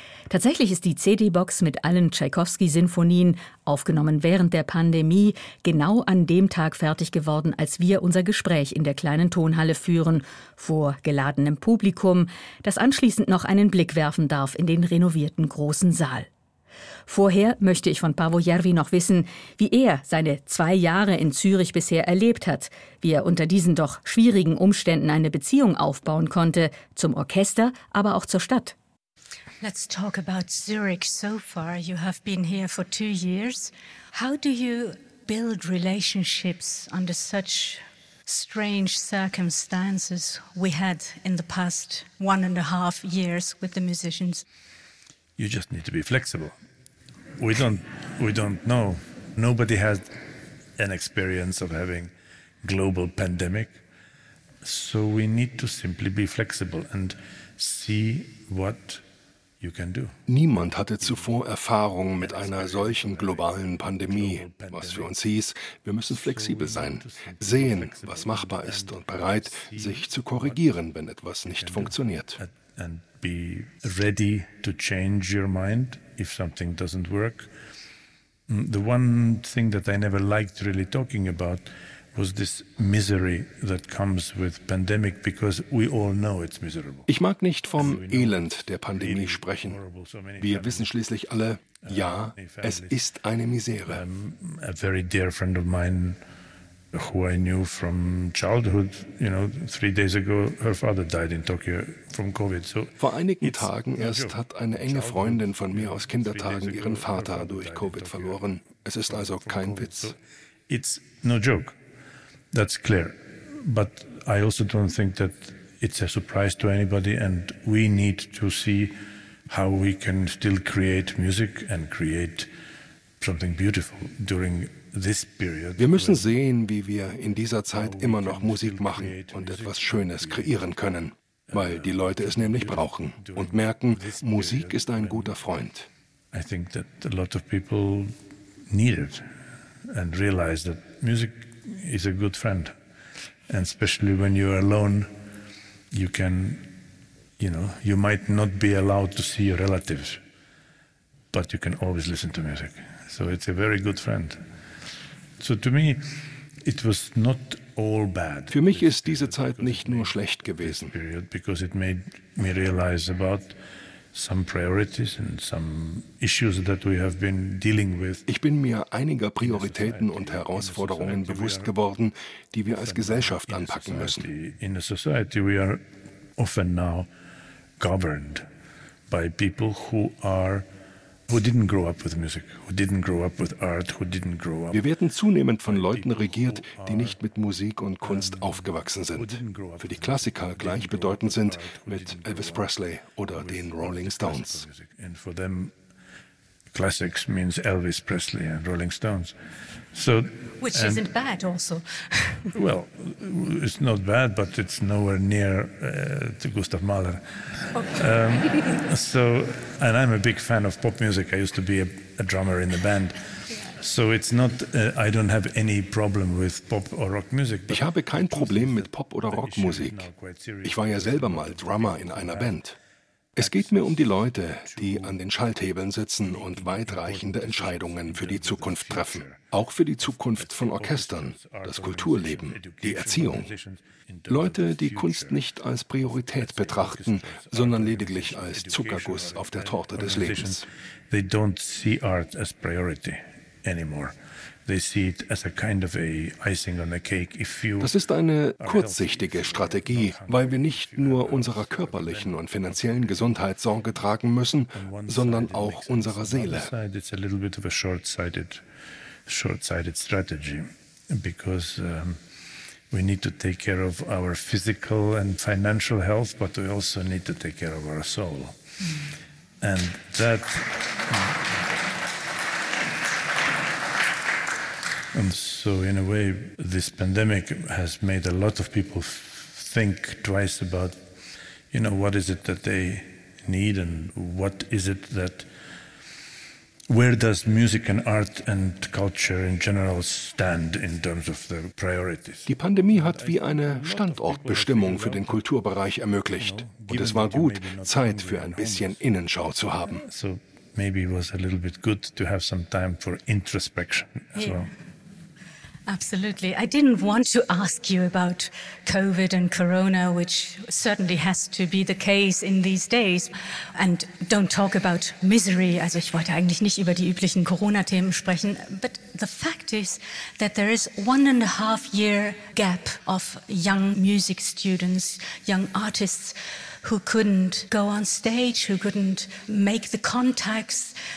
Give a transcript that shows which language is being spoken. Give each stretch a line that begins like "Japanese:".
German: Tatsächlich ist die CD-Box mit allen Tschaikowski-Sinfonien, aufgenommen während der Pandemie, genau an dem Tag fertig geworden, als wir unser Gespräch in der kleinen Tonhalle führen, vor geladenem Publikum, das anschließend noch einen Blick werfen darf in den renovierten großen Saal. Vorher möchte ich von Paavo Järvi noch wissen, wie er seine 2 Jahre in Zürich bisher erlebt hat, wie er unter diesen doch schwierigen Umständen eine Beziehung aufbauen konnte, zum Orchester, aber auch zur Stadt.
English: Let's talk about Zurich so far. You have been here for 2 years. How do you build relationships under such strange circumstances we had in the past 1.5 years with the musicians? You just need to be flexible. We don't know. Nobody has an experience of having global pandemic. So we need to simply be flexible and see what you can do.
German: Niemand hatte zuvor Erfahrung mit einer solchen globalen Pandemie, was für uns hieß, wir müssen flexibel sein, sehen, was machbar ist und bereit, sich zu korrigieren, wenn etwas nicht funktioniert.
English: And be ready to change your mind if something doesn't work. The one thing that I never liked really talking about was this misery that comes with pandemic, because we all know it's miserable.
German: Ich mag nicht vom Elend der Pandemie sprechen. Wir wissen schließlich alle, ja, es ist eine Misere.
English: A very dear friend of mine, who I knew from childhood, you know, 3 days ago, her father died in Tokyo from COVID. So
German: vor einigen Tagen erst hat eine enge Freundin von mir aus Kindertagen ihren Vater durch COVID verloren. Es ist also kein Witz.
English: It's no joke. That's clear. But I also don't think that it's a surprise to anybody, and we need to see how we can still create music and create something beautiful during this period.
German: Wir müssen sehen, wie wir in dieser Zeit immer noch Musik machen und etwas Schönes kreieren können, weil die Leute es nämlich brauchen und merken, Musik ist ein guter Freund.
English: I think that a lot of people need it and realize that music is a good friend, and especially when you're alone, you can, you know, you might not be allowed to see your relatives, but you can always listen to music. So it's a very good friend. So to me, it was not all bad.
German: Für mich ist diese Zeit nicht nur schlecht gewesen.
English: Because it made me realize about some priorities and some issues that we have been dealing with.
German: Ich bin mir einiger Prioritäten und Herausforderungen bewusst geworden, die wir als Gesellschaft anpacken müssen.
English: In a society we are often now governed by people who didn't grow up with music, who didn't grow up with art, who didn't grow up.
German: Wir werden zunehmend von Leuten regiert, die nicht mit Musik und Kunst aufgewachsen sind, für die Klassiker gleichbedeutend sind mit Elvis Presley oder den Rolling Stones.
English: And for them, classics means Elvis Presley and Rolling Stones. So, which isn't bad, also. Well, it's not bad, but it's nowhere near to Gustav Mahler. Okay. So, and I'm a big fan of pop music. I used to be a drummer in the band. So it's not, I don't have any problem with pop or rock music.
German: Ich habe kein Problem mit Pop- oder Rockmusik. Ich war ja selber mal Drummer in einer Band. Es geht mir um die Leute, die an den Schalthebeln sitzen und weitreichende Entscheidungen für die Zukunft treffen. Auch für die Zukunft von Orchestern, das Kulturleben, die Erziehung. Leute, die Kunst nicht als Priorität betrachten, sondern lediglich als Zuckerguss auf der Torte des Lebens.
English: They don't see art as priority anymore. They see it as a kind of a icing on the cake. If you,
German: das ist eine kurzsichtige Strategie, weil wir nicht nur unserer körperlichen und finanziellen Gesundheit Sorge tragen müssen, sondern auch unserer Seele.
English: It's a little bit of a short-sighted strategy, because we need to take care of our physical and financial health, but we also need to take care of our soul. And that. And so, in a way, this pandemic has made a lot of people think twice about, you know, what is it that they need and what is it that, where does music and art and culture in general stand in terms of the priorities?
German: Die Pandemie hat wie eine Standortbestimmung für den Kulturbereich ermöglicht. Und es war gut, Zeit für ein bisschen Innenschau zu haben.
English: So maybe it was a little bit good to have some time for introspection as well. Absolutely. I didn't want to ask you about COVID and Corona, which certainly has to be the case in these days. And don't talk about misery.
German: Also ich wollte eigentlich nicht über die üblichen Corona-Themen sprechen.
English: But the fact is that there is 1.5 year gap of young music students, young artists who couldn't go on stage, who couldn't make the contacts.